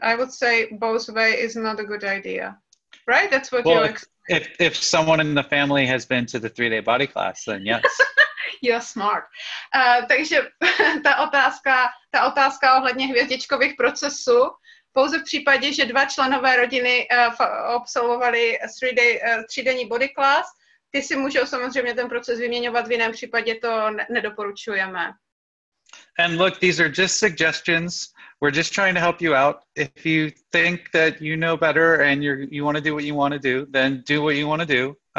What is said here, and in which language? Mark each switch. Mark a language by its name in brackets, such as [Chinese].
[English] I would say both way is not a good idea, right? That's what you're explaining. If someone in the family has been to the 3-day body class, then yes. You're smart. [Czech] Takže ta otázka ohledně hvězdičkových procesů, pouze v případě, že dva členové rodiny absolvovali 3-denní body class, ty si můžou samozřejmě ten proces vyměňovat, v jiném případě to nedoporučujeme. [English] And look, these are just suggestions. We're just trying to help you out. If you think that you know better and you want to do what you want to do, then do what you want to do.